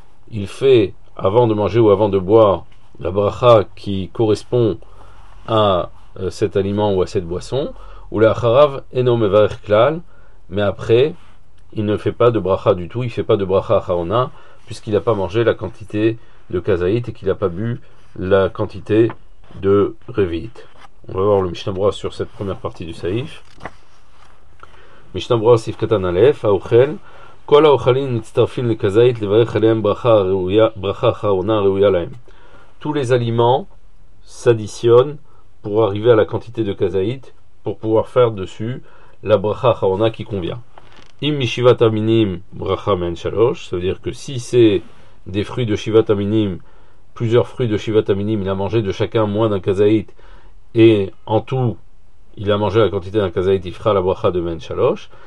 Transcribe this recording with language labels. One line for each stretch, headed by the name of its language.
French: Il fait, avant de manger ou avant de boire, la bracha qui correspond à cet aliment ou à cette boisson, ou la
Hebrew: harav enom mevarech klal,
French: mais après, il ne fait pas de bracha du tout, il ne fait pas de bracha acharona, puisqu'il n'a pas mangé la quantité de kazaït et qu'il n'a pas bu la quantité de revit. On va voir le Mishnah Berurah sur cette première partie du saïf.
Hebrew: Mishnah Berurah sif katan alef, aouchel. כל האוכלים מצטרפים לכזית לברך עליהם ברכה אחרונה ראויה להם.
French: Tous les aliments s'additionnent pour arriver à la quantité de kazaït pour pouvoir faire dessus la bracha acharona qui convient.
Hebrew: Im mishivat aminim bracha men shalosh,
French: ça veut dire que si c'est des fruits de shivat aminim, plusieurs fruits de shivat aminim, il a mangé de chacun moins d'un kazaït et en tout il a mangé la quantité d'un kazaït, il fera la bracha de men shalosh.